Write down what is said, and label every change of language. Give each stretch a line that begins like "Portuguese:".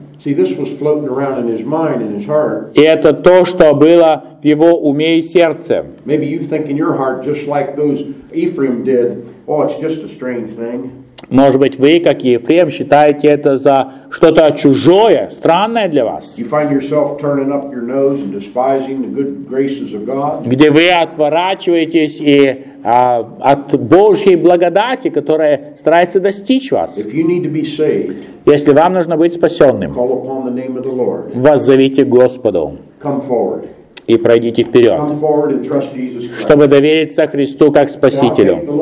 English: See, this was floating around in his mind and his heart.
Russian: И это то, что было в его уме и сердце.
English: Maybe you think in your heart, just like those Ephraim did, oh, it's just a strange thing.
Russian: Может быть, вы, как и Ефрем, считаете это за что-то чужое, странное для вас?
English: You find yourself turning up your nose and despising the good graces of God.
Russian: Где вы отворачиваетесь и от Божьей благодати, которая старается достичь вас.
English: If you need to be saved,
Russian: если вам нужно быть спасенным,
English: call upon the name of the Lord.
Russian: Воззовите Господу.
English: Come forward.
Russian: И пройдите вперед, чтобы довериться Христу как Спасителю.